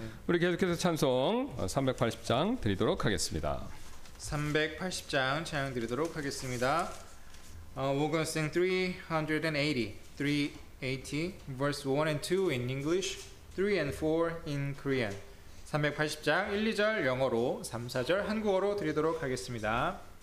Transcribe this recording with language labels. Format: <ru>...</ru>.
<ko>우리 계속해서 찬송 380장 드리도록 하겠습니다. 380장 찬양 드리도록 하겠습니다.</ko> <en>We're going to sing 380 verse 1 and 2 in English, 3 and 4 in Korean.</en> <ko>380장 1, 2절 영어로, 3, 4절 한국어로 드리도록 하겠습니다.</ko>